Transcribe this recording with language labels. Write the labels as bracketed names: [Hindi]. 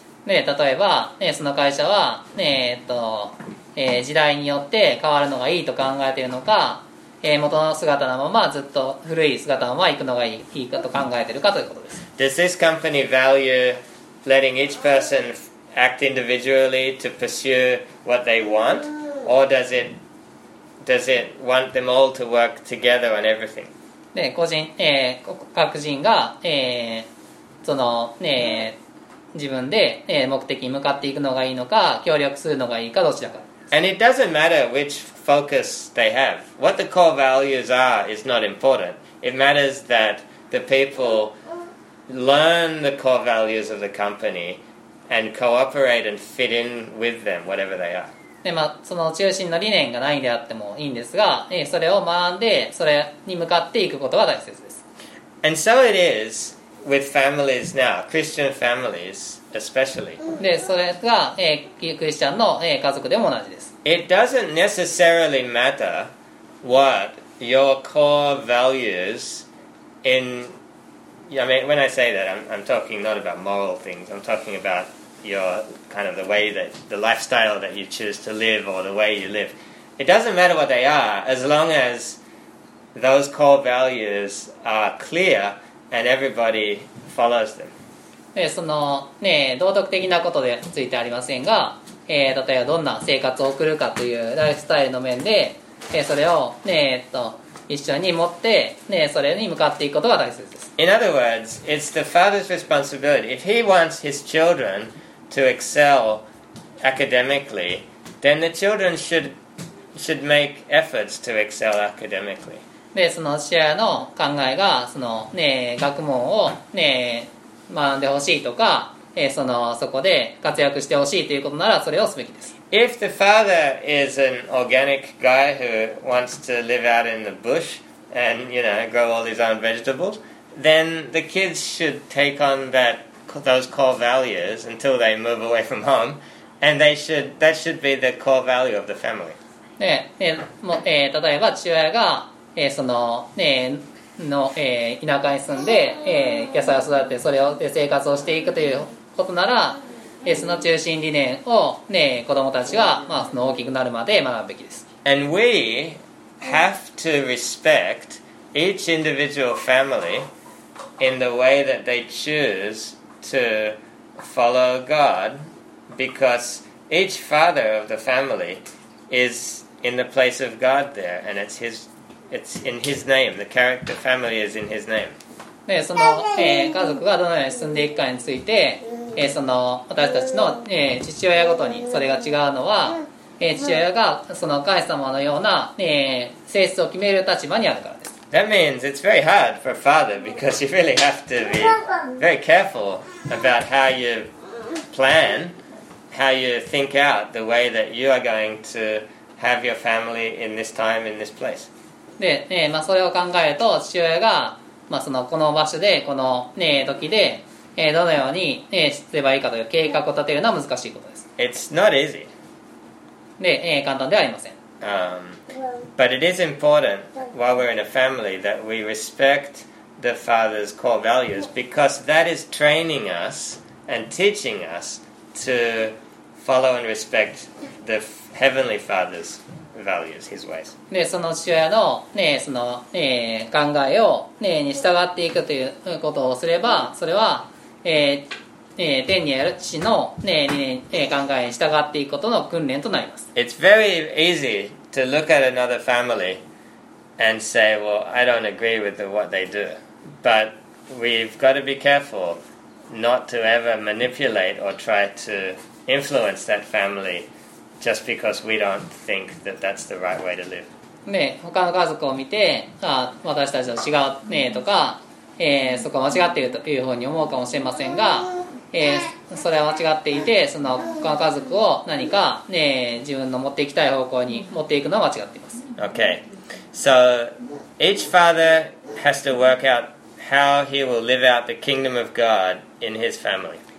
[Japanese] ね、例えば、ね、その会社は、ね、時代によって変わるのがいいと考えているのか、元の姿のままずっと古い姿のまま行くのがいいかと考えているかということです。 [English] Does this company value letting each person act individually to pursue what they want, or does it want them all to work together on everything? [Japanese] で、個人、各人が、その、自分で、目的に向かっていくのがいいのか、協力するのがいいかどちらか。 [English] And it doesn't matter which focus they have. What the core values are is not important. It matters that the people. Learn the core values of the company and cooperate and fit in with them, whatever they are. [Japanese] で、まあ、その中心の理念が何であってもいいんですが、それを学んで、それに向かっていくことが大切です。 [English] And so it is with families now, Christian families especially. [Japanese] で、それが、クリスチャンの、家族でも同じです。 [English] It doesn't necessarily matter what your core values inYeah, I mean, when I say that, I'm talking not about moral things. I'm talking about your kind of the way that the lifestyle that you choose to live or the way you live. It doesn't matter what they are, as long as those core values are clear and everybody follows them. [Japanese] でそのね道徳的なことでついてありませんが、例えばどんな生活を送るかというライフスタイルの面で、それをね一緒に持って、ね、それに向かっていくことが大切です。 [English] In other words, it's the father's responsibility. If he wants his children to excel academically, then the children should make efforts to excel academically. [Japanese] で、その父親の考えが、そのね、学問をね、学んでほしいとか、そこで活躍してほしいということなら、それをすべきです。 [English] If the father is an organic guy who wants to live out in the bush and, you know, grow all his own vegetables, then the kids should take on those core values until they move away from home, and that should be the core value of the family. [Japanese] で、例えば父親が、田舎に住んで、野菜を育てそれで生活をしていくということなら、その中心理念を、ね、子供たちは、まあ、その大きくなるまで学ぶべきです。 [English] And we have to respect each individual family in the way that they choose to follow God because each father of the family is in the place of God there and it's in his name. The character family is in his name. [Japanese] で、その、家族がどのように住んでいくかについて、その私たちの、父親ごとにそれが違うのは、父親がその神様のような、性質を決める立場にあるからです。 [English] That means it's very hard for a father because you really have to be very careful about how you plan, how you think out the way that you are going to have your family in this time, in this place. [Japanese] で、まあ、それを考えると父親が、まあ、そのこの場所で、この、時で、どのように、すればいいかという計画を立てるのは難しいことです。 [English] It's not easy. [Japanese] で、簡単ではありません。 [English] But it is important while we're in a family that we respect the father's core values because that is training us and teaching us to follow and respect the heavenly father's values, his ways. [Japanese] で、その父親の、その、考えを、に従っていくということをすれば、それは天にある父の、考えに従っていくことの訓練となります。 [English] It's very easy to look at another family and say, well, I don't agree with what they do. But we've got to be careful not to ever manipulate or try to influence that family just because we don't think that that's the right way to live. [Japanese] ね、他の家族を見て、私たちと違うねとか、そこは間違っているというふうに思うかもしれませんが、それは間違っていて、その他の家族を何か、自分の持っていきたい方向に持っていくのは間違っています。 [English] Okay. So, each father has to work out how he will live out the kingdom of God in his family.